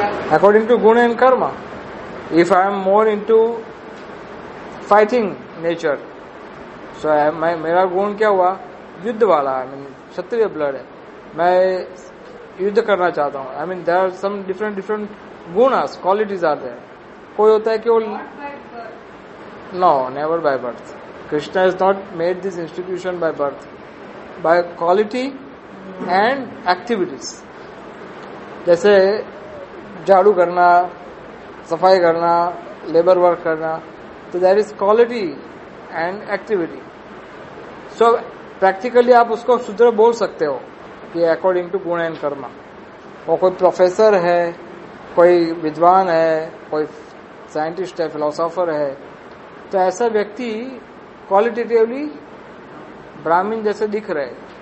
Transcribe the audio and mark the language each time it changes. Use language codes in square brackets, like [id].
[en] according to guna and karma. If I am more into fighting nature, so [hi] मेरा गुण क्या हुआ, युद्ध वाला, [en] I mean [hi] क्षत्रिय ब्लड है, मैं युद्ध करना चाहता हूँ, [en] I mean there are some different gunas, qualities are there. [hi] कोई होता है कि वो [en] no, never by birth. Krishna has not made this institution by birth, by quality and activities. [hi] जैसे झाड़ू करना, सफाई करना, लेबर वर्क करना, तो [en] There is quality and activity. [hi] So practically आप उसको शूद्र बोल सकते हो कि [en] According to गुण and karma. [hi] वो कोई प्रोफेसर है, कोई विद्वान है, कोई साइंटिस्ट है, फिलोसोफर है, तो ऐसा व्यक्ति क्वालिटेटिवली ब्राह्मीण जैसे दिख रहे हैं।